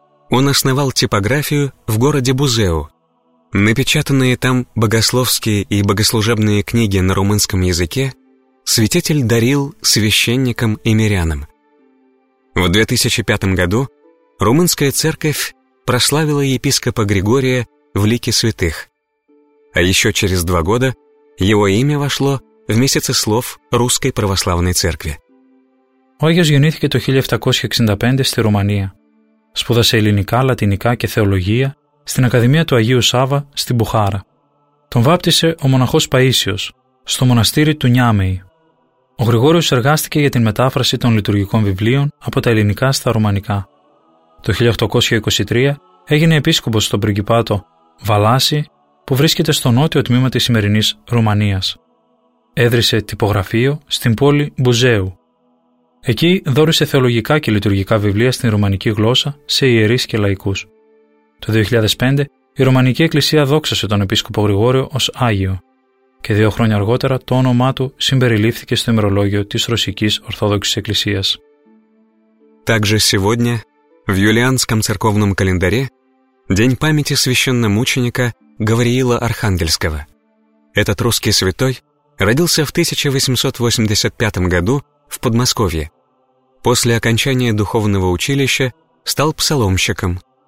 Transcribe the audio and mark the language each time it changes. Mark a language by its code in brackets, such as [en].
[ru] Он основал типографию в городе Бузеу. Напечатанные там богословские и богослужебные книги на румынском языке святитель дарил священникам и мирянам. В 2005 году румынская церковь прославила епископа Григория в лике святых. А еще через два года его имя вошло в месяцы слов Русской Православной Церкви. [el] Ο Άγιος γεννήθηκε το 1765 στη Ρουμανία. Σπούδασε ελληνικά, λατινικά και θεολογία στην Ακαδημία του Αγίου Σάββα στην Μπουχάρα. Τον βάπτισε ο μοναχός Παΐσιος στο μοναστήρι του Νιάμεϊ. Ο Γρηγόριος εργάστηκε για την μετάφραση των λειτουργικών βιβλίων από τα ελληνικά στα ρουμανικά. Το 1823 έγινε επίσκοπος στον πριγκιπάτο Βαλάση, που βρίσκεται στο νότιο τμήμα της σημερινής Ρουμανίας. Έδρισε τυπογραφείο στην πόλη Μπουζέου. Εκεί δόρισε θεολογικά και λειτουργικά βιβλία στην ρουμανική γλώσσα σε ιερείς και λαϊκούς. Το 2005 η Ρουμανική Εκκλησία δόξασε τον επίσκοπο Γρηγόριο ως Άγιο. Και δύο χρόνια αργότερα το όνομά του συμπεριλήφθηκε στο ημερολόγιο της Ρωσικής Ορθόδοξης Εκκλησίας. [ru] Также сегодня в юлианском церковном календаре день памяти священномученика Гавриила Архангельского. Этот русский святой родился в 1885 году в Подмосковье. После окончания духовного училища стал псаломщиком.